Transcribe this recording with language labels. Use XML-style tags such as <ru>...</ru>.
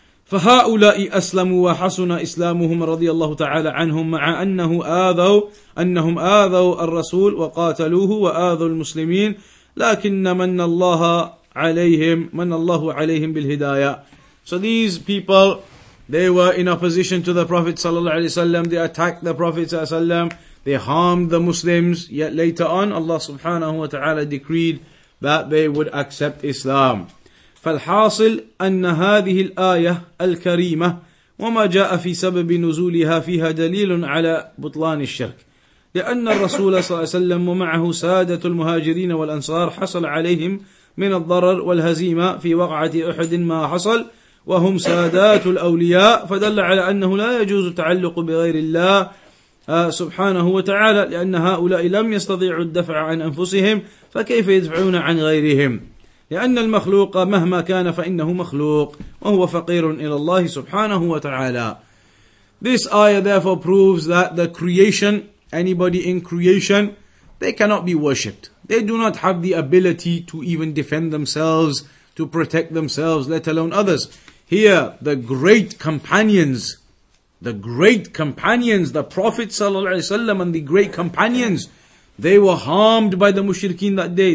<ar>فَهَؤُلَاءِ أَسْلَمُوا وَحَسُنَ إِسْلَامُهُمْ رَضِيَ اللَّهُ تَعَالَ عَنْهُمْ مَعَ أَنَّهُمْ آذَوْا الرَّسُولُ وَقَاتَلُوهُ وَآذُوا الْمُسْلِمِينَ لَكِنَّ مَنَّ اللَّهَ عَلَيْهِمْ مَنَّ اللَّهُ عَلَيْهِمْ بِالْهِدَايَةِ.</ar> <en>So these people, they were in opposition to the Prophet sallallahu alaihi wasallam. They attacked the Prophet sallallahu alaihi wasallam. They harmed the Muslims. Yet later on, Allah subhanahu wa ta'ala decreed that they would accept Islam.</en> <ar>فالحاصل أن هذه الآية الكريمة وما جاء في سبب نزولها فيها دليل على بطلان الشرك. لأن الرسول صلى الله عليه وسلم ومعه سادة المهاجرين والأنصار حصل عليهم من الضرر والهزيمة في وقعة أحد ما حصل وهم سادات الأولياء فدل على أنه لا يجوز التعلق بغير الله سبحانه وتعالى لأن هؤلاء لم يستطيعوا الدفع عن أنفسهم فكيف يدفعون عن غيرهم لأن المخلوق مهما كان فإنه مخلوق وهو فقير إلى الله سبحانه وتعالى.</ar> <en>This ayah therefore proves that the creation, anybody in creation, they cannot be worshipped. They do not have the ability to even defend themselves, to protect themselves, let alone others. Here, the great companions, the Prophet ﷺ and the great companions, they were harmed by the mushrikeen that day.</en>